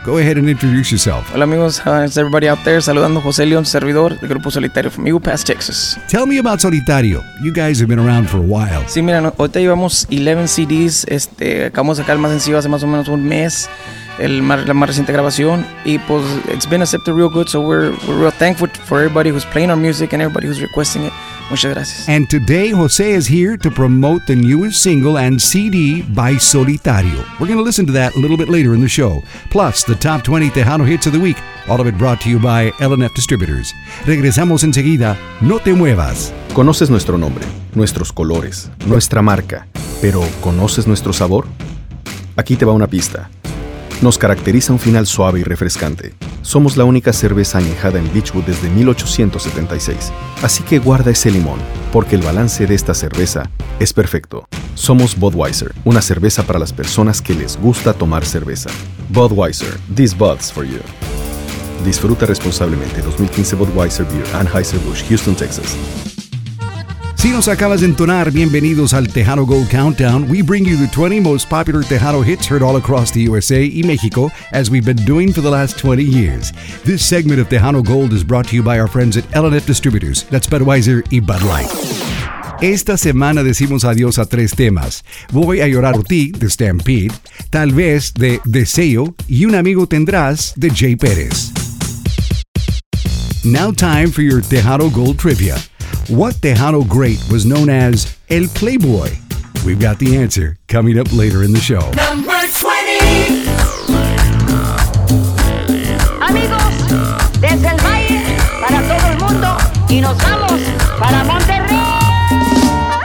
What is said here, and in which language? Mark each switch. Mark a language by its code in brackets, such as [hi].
[en] Go ahead and introduce yourself. [es] Hola amigos, [en] is everybody out there? [es] Saludando José León, servidor del grupo Solitario from Eagle Pass, Texas. [en] Tell me about Solitario. You guys have been around for a while. [es] Sí, mira, ahorita llevamos 11 CDs. Acabamos de sacar el más sencillo hace más o menos un mes. La más reciente grabación, y pues [en] it's been accepted real good, so we're real thankful for everybody who's playing our music and everybody who's requesting it. [es] Muchas gracias. [en] And today Jose is here to promote the newest single and CD by Solitario. We're going to listen to that a little bit later in the show, plus the top 20 Tejano hits of the week, all of it brought to you by LNF Distributors. [es] Regresamos enseguida, no te muevas. ¿Conoces nuestro nombre, nuestros colores, nuestra marca, pero conoces nuestro sabor? Aquí te va una pista. Nos caracteriza un final suave y refrescante. Somos la única cerveza añejada en Beechwood desde 1876. Así que guarda ese limón, porque el balance de esta cerveza es perfecto. Somos Budweiser, una cerveza para las personas que les gusta tomar cerveza. [en] Budweiser, this Bud's for you. [es] Disfruta responsablemente. 2015 Budweiser Beer, Anheuser-Busch, Houston, Texas. Si nos acabas de entonar, bienvenidos al Tejano Gold Countdown. [en] We bring you the 20 most popular Tejano hits heard all across the USA y México, as we've been doing for the last 20 years. This segment of Tejano Gold is brought to you by our friends at LNF Distributors. That's Budweiser y Bud Light. [es] Esta semana decimos adiós a tres temas. Voy a llorar por ti, de Stampede. Tal vez, de Deseo. Y Un Amigo Tendrás, de Jay Perez. [en] Now time for your Tejano Gold Trivia. What Tejano great was known as El Playboy? We've got the answer coming up later in the show. Number 20! [es] Amigos, desde el Valle para todo el mundo y nos vamos para Monterrey.